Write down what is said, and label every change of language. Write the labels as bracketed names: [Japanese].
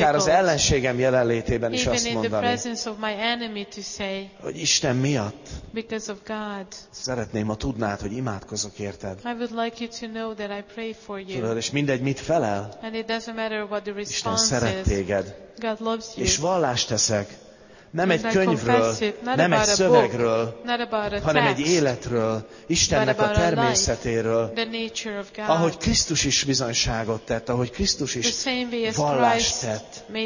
[Hungarian] akár az ellenségem jelenlétében is [English] even [Hungarian] azt [English] in [Hungarian] mondani, [English] the presence of my enemy to say, [Hungarian] hogy Isten miatt, [English] because of God, [Hungarian] szeretném, ha tudnád, hogy imádkozok érted. [English] I would like you to know that I pray for you. [Hungarian] Tudod, és mindegy, mit felel, [English] and it doesn't matter what the response [Hungarian] Isten szeret téged. [English] God loves you. [Hungarian] És vallást teszek, nem egy könyvről, nem egy szövegről, hanem egy életről, Istennek a természetéről, ahogy Krisztus is bizonyságot tett, ahogy Krisztus is vallást tett.